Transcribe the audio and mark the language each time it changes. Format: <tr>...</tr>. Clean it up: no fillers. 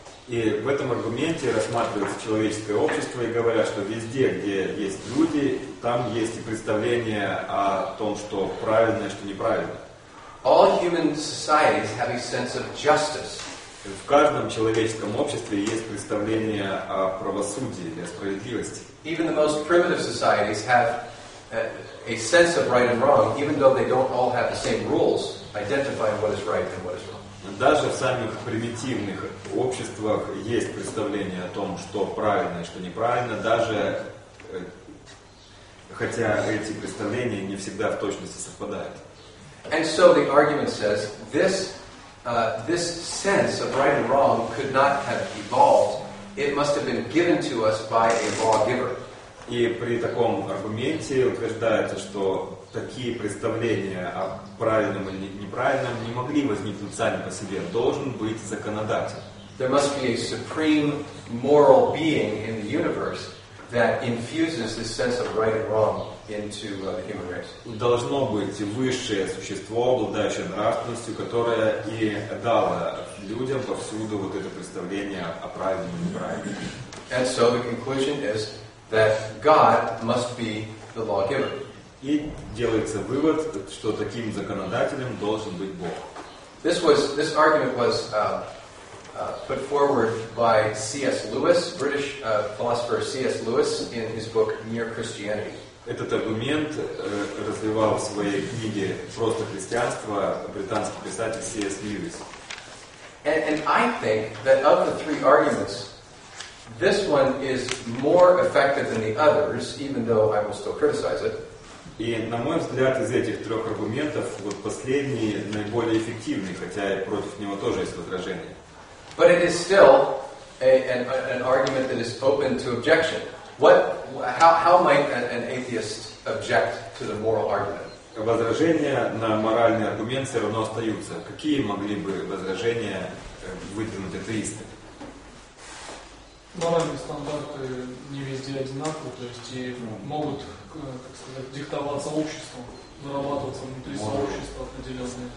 <ru>И в этом аргументе рассматривается человеческое общество и говорят, что везде, где есть люди, там есть и представление о том, что правильно и что неправильно.</ru> <en>All human societies have a sense of justice.</en> <ru>В каждом человеческом обществе есть представление о правосудии или о справедливости.</ru> <en>Even the most primitive societies have a sense of right and wrong, even though they don't all have the same rules identifying what is right and what is wrong.</en> <ru>Даже в самых примитивных обществах есть представление о том, что правильно и что неправильно, даже хотя эти представления не всегда в точности совпадают.</ru> <en>And so the argument says, this sense of right and wrong could not have evolved. It must have been given to us by a lawgiver.</en> <ru>И при таком аргументе утверждается, что такие представления о правильном или неправильном не могли возникнуть сами по себе. Должен быть законодатель.</ru> <en>There must be a supreme moral being in the universe that infuses this sense of right and wrong into the human race.</en> <ru>Должно быть высшее существо, обладающее нравственностью, которое и дало людям повсюду вот это представление о правильном и неправильном.</ru> <en>And so the conclusion is that God must be the lawgiver.</en> <ru>И делается вывод, что таким законодателем должен быть Бог.</ru> <en>This argument was put forward by C.S. Lewis, British philosopher C.S. Lewis, in his book *Mere Christianity*.</en> <ru>Этот аргумент развивал в своей книге «Просто христианство» британский писатель C.S. Lewis.</ru> <en>And I think that of the three arguments, this one is more effective than the others, even though I will still criticize it.</en> <ru>И, на мой взгляд, из этих трех аргументов, вот последний наиболее эффективный, хотя и против него тоже есть возражения.</ru> <en>But it is still an argument that is open to objection. How might an atheist object to the moral argument?</en> <ru>Возражения на моральный аргумент все равно остаются. Какие могли бы возражения выдвинуть атеисты? Моральные стандарты не везде одинаковы, то есть и могут, так сказать, диктоваться обществом, зарабатываться внутри сообщества определенные</ru>